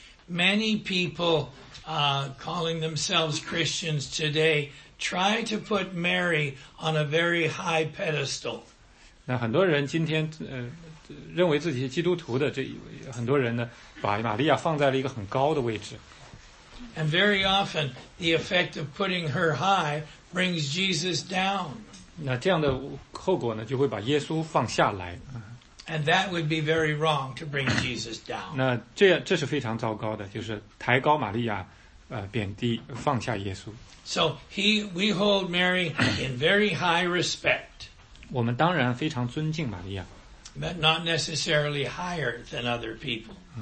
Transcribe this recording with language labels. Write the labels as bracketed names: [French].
[English] many people calling themselves Christians today try to put Mary on a very high pedestal. [Chinese] 那很多人今天认为自己基督徒的这很多人呢，把玛利亚放在了一个很高的位置。 [English] And very often the effect of putting her high brings Jesus down. [Chinese] 那这样的后果呢，就会把耶稣放下来。 [English] And that would be very wrong to bring Jesus down. [Chinese] 那这是非常糟糕的，就是抬高玛利亚，贬低放下耶稣。 [English] So we hold Mary in very high respect. [Chinese] 我们当然非常尊敬玛利亚。 [English] But not necessarily higher than other people.